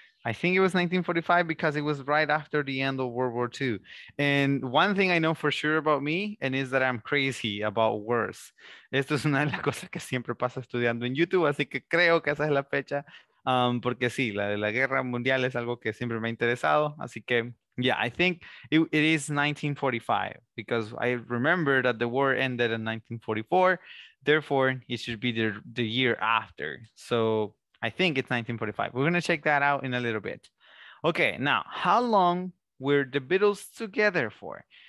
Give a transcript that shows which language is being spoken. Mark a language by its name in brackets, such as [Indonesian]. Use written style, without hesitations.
[English] I think it was 1945 because it was right after the end of World War II. And one thing I know for sure about me, and is that I'm crazy about wars. [Spanish] Esto es una de las cosas que siempre pasa estudiando en YouTube, así que creo que esa es la fecha. Porque sí, la de la guerra mundial es algo que siempre me ha interesado. Así que, [English] yeah, I think it is 1945 because I remember that the war ended in 1944. Therefore, it should be the year after. So I think it's 1945. We're going to check that out in a little bit. Okay, now, how long were the Beatles together for?